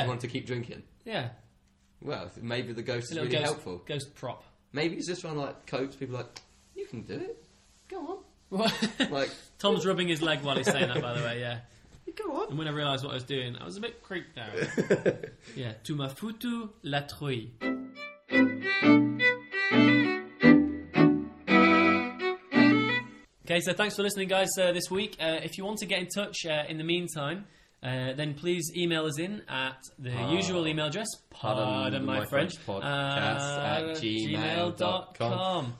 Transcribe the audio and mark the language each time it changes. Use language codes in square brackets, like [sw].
[en] If you wanted to keep drinking? Yeah. Well, maybe the ghost is really ghost, helpful. Ghost prop. Maybe he's just trying to like, coach people like, you can do it. Go on. What? Like, Tom's rubbing his leg while he's saying that, by the way, yeah. Go on. And when I realised what I was doing, I was a bit creeped out. Yeah. [fr] Tu m'as foutu la trouille. [en] Okay, so thanks for listening, guys, this week. If you want to get in touch in the meantime, then please email us in at the usual email address, pardon my French, podcast@gmail.com.